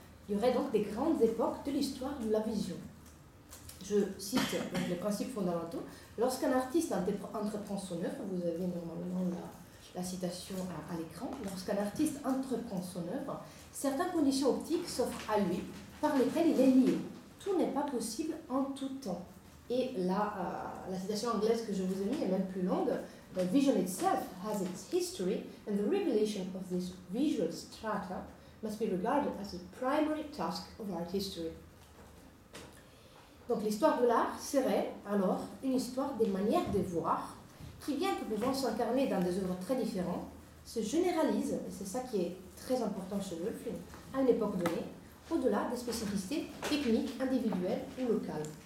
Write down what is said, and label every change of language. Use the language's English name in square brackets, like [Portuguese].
[French] Il y aurait donc des grandes époques de l'histoire de la vision. Je cite les Principes fondamentaux. Lorsqu'un artiste entreprend son œuvre, vous avez normalement la citation à l'écran. Lorsqu'un artiste entreprend son œuvre, certaines conditions optiques s'offrent à lui par lesquelles il est lié. Tout n'est pas possible en tout temps. Et là, la citation anglaise que je vous ai mise est même plus longue. [English] The vision itself has its history, and the revelation of this visual strata must be regarded as the primary task of art history. [French] Donc l'histoire de l'art serait alors une histoire des manières de voir qui, bien que pouvant s'incarner dans des œuvres très différentes, se généralise, et c'est ça qui est très important chez Wolff, à une époque donnée, au-delà des spécificités techniques, individuelles ou locales.